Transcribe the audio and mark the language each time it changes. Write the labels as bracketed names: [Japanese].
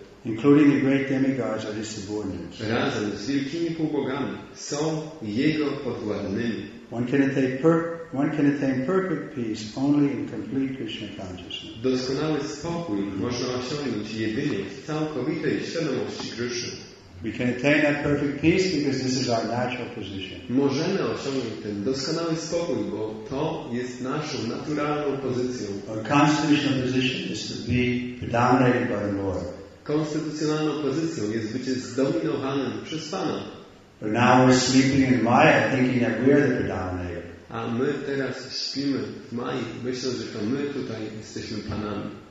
[English] including the great demigods, are his subordinates. [Polish] Razem z wielkimi półbogami są jego podwładnymi. [English] One can attain perfect peace only in complete Krishna consciousness. [Polish] Doskonały spokój można osiągnąć jedynie w całkowitej świadomości Krishna. [English] We can attain that perfect peace because this is our natural position. [Polish] Możemy osiągnąć ten doskonały spokój, bo to jest naszą naturalną pozycją. [English] Our constitutional position is to be dominated by the Lord. [Polish] Konstytucjonalną pozycją jest być zdominowanym przez Pana. [English] But now we're sleeping in Maya, thinking that we are the predominator. [Polish] A my teraz śpimy w Maji, myśląc, że to my tutaj jesteśmy panami.